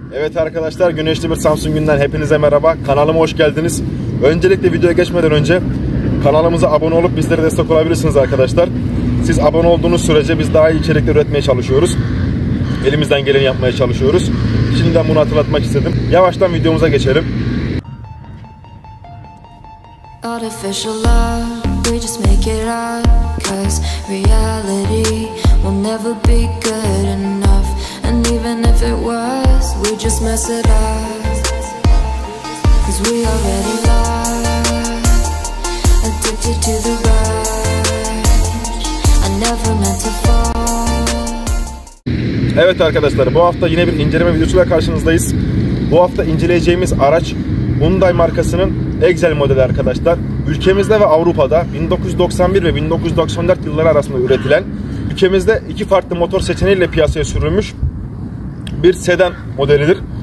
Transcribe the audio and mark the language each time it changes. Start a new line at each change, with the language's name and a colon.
Turkish: Evet arkadaşlar, güneşli bir Samsun günden hepinize merhaba. Kanalıma hoş geldiniz. Öncelikle videoya geçmeden önce kanalımıza abone olup bizlere destek olabilirsiniz arkadaşlar. Siz abone olduğunuz sürece biz daha iyi içerikler üretmeye çalışıyoruz. Elimizden geleni yapmaya çalışıyoruz. Şimdiden bunu hatırlatmak istedim. Yavaştan videomuza geçelim.
English: Artificial love, we just make it up, 'cause reality will never be good enough. And even if it was, we just mess it up, 'cause we already lost, addicted to the rush. I never meant to fall.
Turkish: Evet arkadaşlar, bu hafta yine bir inceleme videosuyla karşınızdayız. Bu hafta inceleyeceğimiz araç Hyundai markasının Excel modeli arkadaşlar. Ülkemizde ve Avrupa'da 1991 ve 1994 yılları arasında üretilen, ülkemizde iki farklı motor seçeneğiyle piyasaya sürülmüş bir sedan modelidir.